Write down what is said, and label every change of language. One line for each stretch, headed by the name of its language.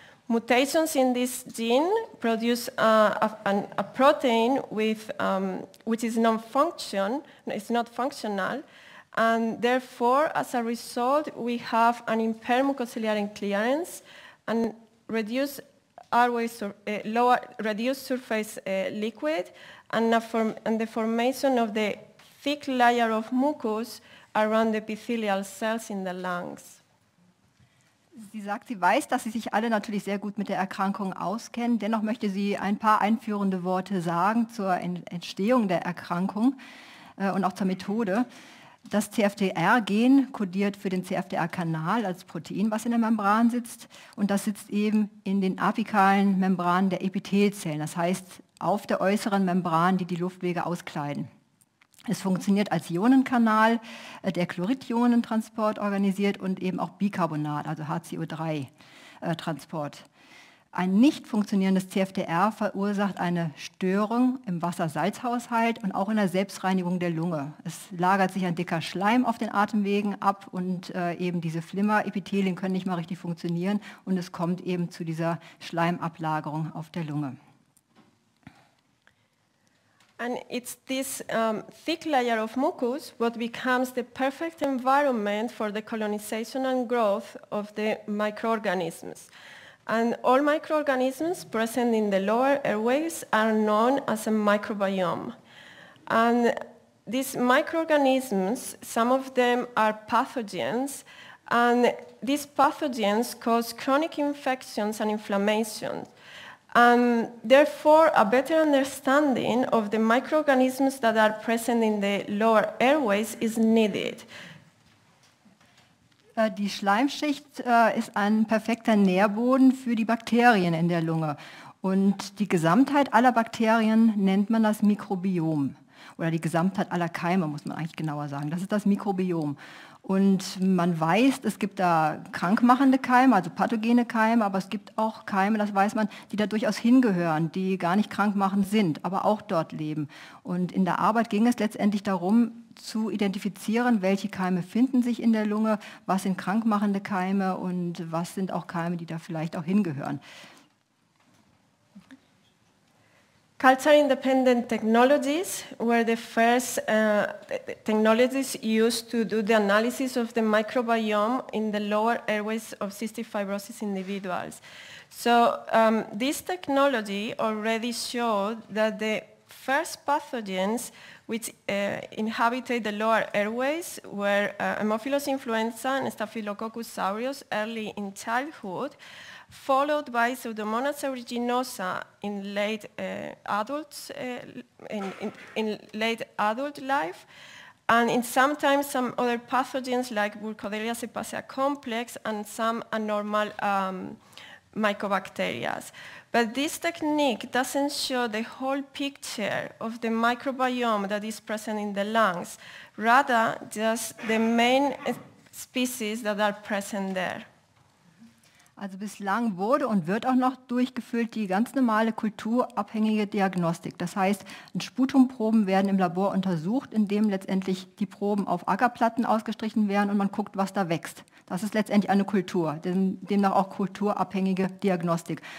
English: Mutations in this gene produce a protein which is not functional, and therefore, as a result, we have an impaired mucociliary clearance and reduced surface liquid and the formation of the thick layer of mucus around the epithelial cells in the lungs.
German: Sie sagt, sie weiß, dass Sie sich alle natürlich sehr gut mit der Erkrankung auskennen. Dennoch möchte sie ein paar einführende Worte sagen zur Entstehung der Erkrankung und auch zur Methode. Das CFTR-Gen kodiert für den CFTR-Kanal als Protein, was in der Membran sitzt. Und das sitzt eben in den apikalen Membranen der Epithelzellen, das heißt auf der äußeren Membran, die die Luftwege auskleiden. Es funktioniert als Ionenkanal, der Chloridionentransport organisiert und eben auch Bicarbonat, also HCO3-Transport. Ein nicht funktionierendes CFTR verursacht eine Störung im Wassersalzhaushalt und auch in der Selbstreinigung der Lunge. Es lagert sich ein dicker Schleim auf den Atemwegen ab, und eben diese Flimmerepithelien können nicht mal richtig funktionieren, und es kommt eben zu dieser Schleimablagerung auf der Lunge.
English: And it's this thick layer of mucus what becomes the perfect environment for the colonization and growth of the microorganisms. And all microorganisms present in the lower airways are known as a microbiome. And These microorganisms, some of them are pathogens, and these pathogens cause chronic infections and inflammation. And therefore, a better understanding of the microorganisms that are present in the lower airways is needed.
German: Die Schleimschicht ist ein perfekter Nährboden für die Bakterien in der Lunge. Und die Gesamtheit aller Bakterien nennt man das Mikrobiom. Oder die Gesamtheit aller Keime, muss man eigentlich genauer sagen. Das ist das Mikrobiom. Und man weiß, es gibt da krankmachende Keime, also pathogene Keime, aber es gibt auch Keime, das weiß man, die da durchaus hingehören, die gar nicht krankmachend sind, aber auch dort leben. Und in der Arbeit ging es letztendlich darum, zu identifizieren, welche Keime finden sich in der Lunge, was sind krankmachende Keime und was sind auch Keime, die da vielleicht auch hingehören.
English: Culture-independent technologies were the first technologies used to do the analysis of the microbiome in the lower airways of cystic fibrosis individuals. So this technology already showed that the first pathogens which inhabited the lower airways were Haemophilus influenza and Staphylococcus aureus early in childhood, followed by Pseudomonas aeruginosa in late adult life, and in sometimes some other pathogens like Burkholderia sepacea complex and some abnormal mycobacteria. But this technique doesn't show the whole picture of the microbiome that is present in the lungs, rather just the main species that are present there.
German: Also bislang wurde und wird auch noch durchgeführt die ganz normale kulturabhängige Diagnostik. Das heißt, Sputumproben werden im Labor untersucht, indem letztendlich die Proben auf Ackerplatten ausgestrichen werden und man guckt, was da wächst. Das ist letztendlich eine Kultur, demnach auch kulturabhängige Diagnostik.